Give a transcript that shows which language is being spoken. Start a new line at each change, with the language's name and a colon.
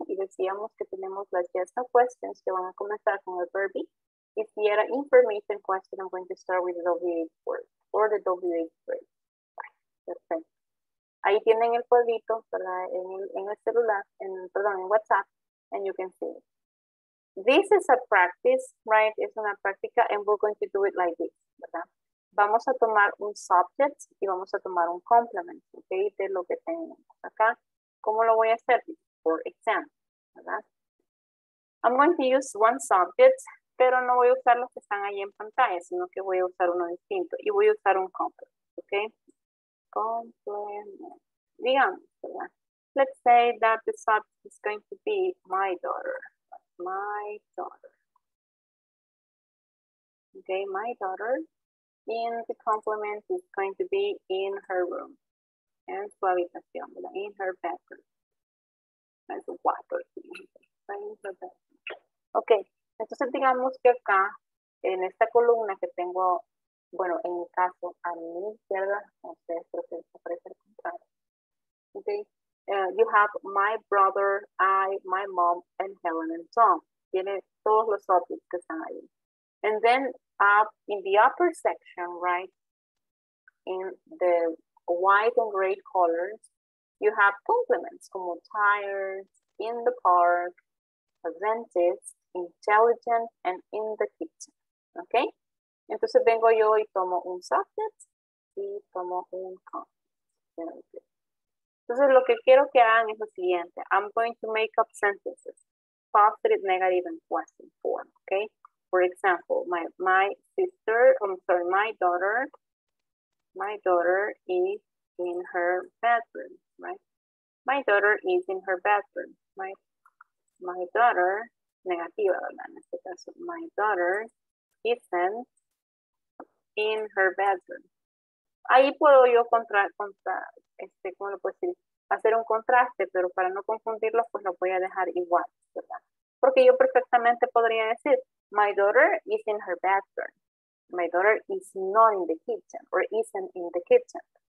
Spanish: Y decíamos que tenemos las yes no questions que van a comenzar con el verb be.
English: If you had an information question, I'm going to start with the WH word or the WH phrase.
Spanish: Perfecto. Ahí tienen el cuadrito, ¿verdad? En el celular, en WhatsApp,
English: and you can see it. This is a practice, right?
Spanish: Es una práctica,
English: and we're going to do it like this, ¿verdad?
Spanish: Vamos a tomar un subject y vamos a tomar un complement, ¿ok? De lo que tenemos acá. ¿Cómo lo voy a hacer? Por ejemplo, ¿verdad?
English: I'm going to use one subject,
Spanish: pero no voy a usar los que están ahí en pantalla, sino que voy a usar uno distinto y voy a usar un complement, ¿ok? Complement. Digamos, ¿verdad?
English: let's say that the subject is going to be my daughter. My daughter. Okay, my daughter. And the complement is going to be in her room.
Spanish: En su habitación, ¿verdad?
English: In her bedroom.
Spanish: En su cuarto.
English: In her bedroom.
Spanish: Ok, entonces digamos que acá, en esta columna que tengo, bueno, en mi caso, a mi izquierda, ustedes creo que se parece al contrario.
English: Ok, you have my brother, I, my mom, and Helen and Tom.
Spanish: Tiene todos los objetos que están ahí.
English: And then, in the upper section, right, in the white and gray colors, you have complements como tires, in the park, a dentist, intelligent, and in the kitchen. Okay?
Spanish: Entonces vengo yo y tomo un subject y tomo un complement. Entonces lo que quiero que hagan es lo siguiente.
English: I'm going to make up sentences, positive, negative, and question form. Okay? For example, my daughter is in her bedroom, right? My daughter is in her bedroom, right? My daughter, negativa, ¿verdad?
Spanish: En este caso,
English: my daughter isn't in her bedroom.
Spanish: Ahí puedo yo ¿cómo lo puedo decir? Hacer un contraste, pero para no confundirlos, pues lo voy a dejar igual, ¿verdad? Porque yo perfectamente podría decir,
English: my daughter is in her bedroom. My daughter is not in the kitchen, or isn't in the kitchen.